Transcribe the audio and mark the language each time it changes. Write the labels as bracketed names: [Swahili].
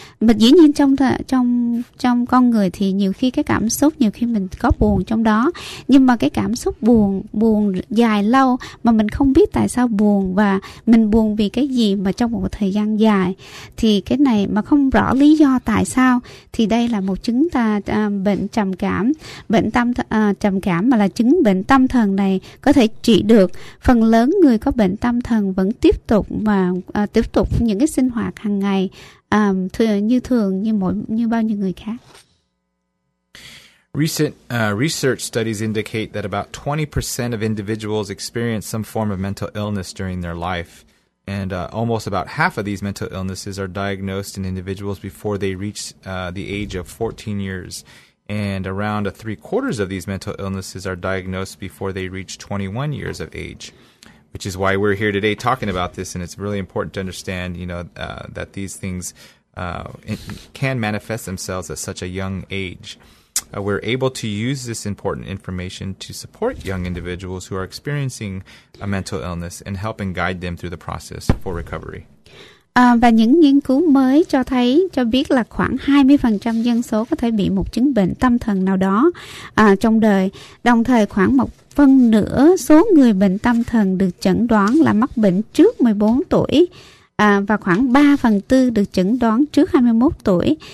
[Vietnamese] Mình dĩ nhiên trong con người thì nhiều khi cái cảm xúc, nhiều khi mình có buồn trong đó, nhưng mà cái cảm xúc buồn dài lâu mà mình không biết tại sao buồn, và mình buồn vì cái gì mà trong một thời gian dài, thì cái này mà không rõ lý do tại sao, thì đây là một chứng bệnh trầm cảm, bệnh tâm trầm cảm, mà là chứng bệnh tâm thần này có thể trị được. Phần lớn người có bệnh tâm thần vẫn tiếp tục mà tiếp tục những cái sinh hoạt hàng ngày như thường như bao nhiêu người khác. [English] Recent research studies indicate that about 20% of individuals experience some form of mental illness during their life. And almost about half of these mental illnesses are diagnosed in individuals before they reach the age of 14 years. And around 3/4 of these mental illnesses are diagnosed before they reach 21 years of age, which is why we're here today talking about this. And it's really important to understand, you know, that these things can manifest themselves at such a young age. We're able to use this important information to support young individuals who are experiencing a mental illness and help and guide them through the process for recovery. [Vietnamese] Và những nghiên cứu mới cho biết là khoảng 20% dân số có thể bị một chứng bệnh tâm thần nào đó trong đời. Đồng thời khoảng một phần nửa số người bệnh tâm thần được chẩn đoán là mắc bệnh trước 14 tuổi. Và khoảng 3/4 được chẩn đoán trước 21 tuổi.